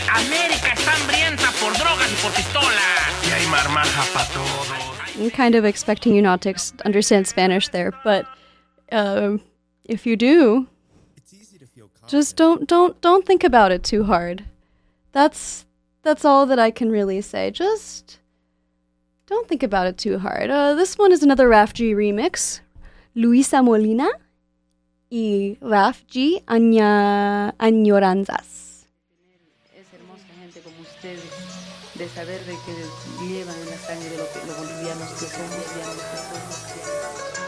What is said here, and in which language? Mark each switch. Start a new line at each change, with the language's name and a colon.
Spanish: América está hambrienta por drogas y por pistolas. Y hay marmaja pa' todos.
English: I'm kind of expecting you not to understand Spanish there, but if you do, just don't think about it too hard. That's all that I can really say. Just don't think about it too hard. This one is another Raf G remix.
Spanish: Luisa Molina y Raf G Añoranzas. Es hermosa gente como ustedes, de saber de que llevan la sangre de los bolivianos que son bolivianos.